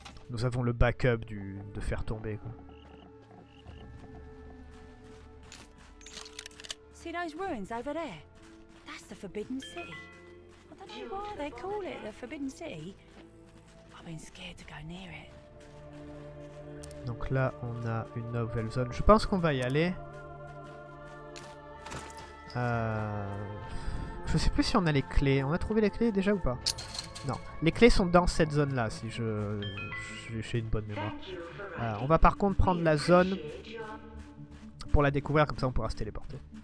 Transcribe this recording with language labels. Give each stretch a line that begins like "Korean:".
French: Nous avons le backup du de faire tomber quoi.
English: See those ruins over there? That's the Forbidden City. I don't know why they call it the Forbidden City. I've been scared to go near it.
French: Donc là, on a une nouvelle zone. Je pense qu'on va y aller. Je sais plus si on a les clés. On a trouvé les clés déjà ou pas? Non. Les clés sont dans cette zone-là, si je j'ai une bonne mémoire. On va par contre prendre la zone pour la découvrir, comme ça on pourra se téléporter.